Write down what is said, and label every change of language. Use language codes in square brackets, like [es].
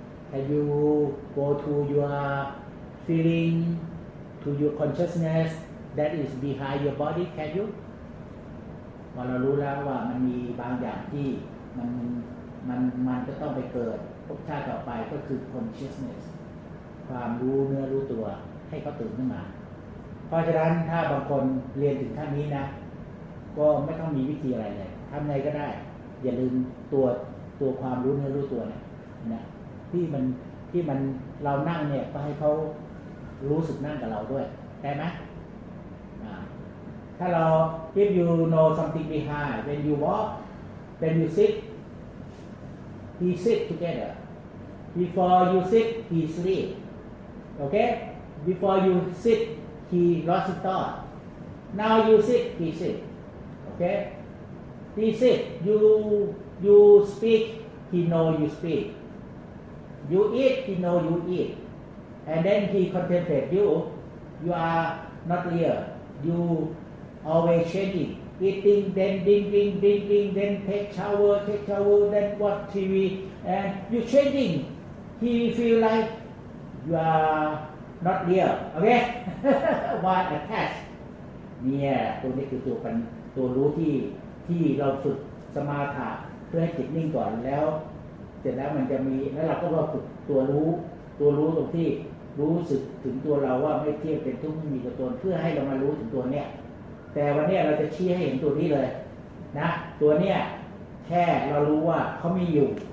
[en] Can you go to your feeling, to your consciousness that is behind your body? Can you? [th] พอเรารู้แล้วว่ามันมีบางอย่างที่มันจะต้องไปเกิดภพชาติต่อไปก็คือ consciousness. ความรู้เนื้อรู้ตัวให้เขาตื่นขึ้นมาเพราะฉะนั้นถ้าบางคนเรียนถึงขั้นนี้นะก็ไม่ต้องมีวิธีอะไรเลยทำไงก็ได้อย่าลืม ตัวความรู้เนื้อรู้ตัวเนี่ยนะที่มันเรานั่งเนี่ยก็ให้เขารู้สึกนั่งกับเราด้วยได้ไหม ถ้าเรา [en] if you know something behind when you walk when you sit he sit together before you sit he sleep okay before you sit he lost his thought now you sit he sleepOkay, he said, you speak, he know you speak. You eat, he know you eat. And then he contemplate you are not real. You always changing, eating, then drinking, then take shower, then watch TV. And you changing, he feel like you are not real. Okay, why attached? [th] Yeah, ตัวนี้คือตัวรู้ที่เราฝึกสมาธิเพื่อให้จิตนิ่งก่อนแล้วเสร็จแล้วมันจะมีแล้วเราก็ฝึกตัวรู้ตรงที่รู้สึกถึงตัวเราว่าไม่เที่ยงเป็นทุกข์ไม่มีตัวตนเพื่อให้เรามารู้ถึงตัวเนี้ยแต่วันนี้เราจะชี้ให้เห็นตัวนี้เลยนะตัวเนี้ยแค่เรารู้ว่าเขามีอยู่